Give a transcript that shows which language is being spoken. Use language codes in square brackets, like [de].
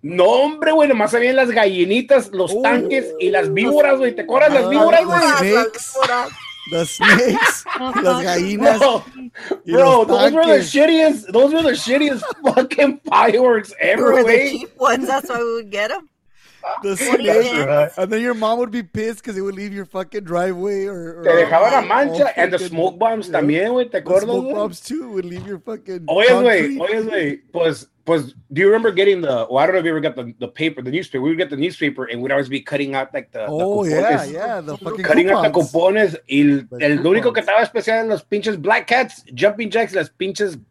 [es] No, hombre, güey, nomás habían las gallinitas, los tanques y las víboras, güey. ¿Te acuerdas las víboras, güey? [en] The snakes, [es] las gallinas. [en] Bro, those were the shittiest fucking fireworks ever, güey. The cheap ones, that's why we would get them. the snake, and then your mom would be pissed because it would leave your fucking driveway. Or [es] te dejaba la mancha, [en] and the smoke bombs [es] también, güey. Te acuerdas? [en] Smoke bombs too would leave your fucking. [es] Oye, güey. Pues, [en] do you remember getting the? Well, I don't know if you ever got the paper, the newspaper. We would get the newspaper, and we'd always be cutting out like the. The fucking cupones. [es] El único que estaba especial en los pinches black cats, jumping jacks, las pinches.